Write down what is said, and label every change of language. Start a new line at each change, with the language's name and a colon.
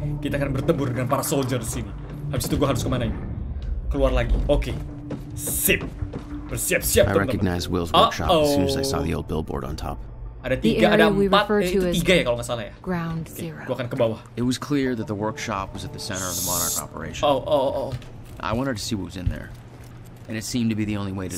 Indonesian: Kita akan bertempur dengan para soldier di sini. Habis itu gue harus kemana ini? Keluar lagi. Oke. Sip. Bersiap-siap.
English: I recognize Will's workshop as soon as I saw the old billboard on top.
Indonesian: Ada tiga, ada empat, itu tiga ya kalau nggak salah ya.
English: Ground zero.
Indonesian: Okay. Gue akan ke bawah.
English: It was clear that the workshop was at the center of the Monarch operation. Oh. I wanted to see what was in there, and it seemed to be the only way to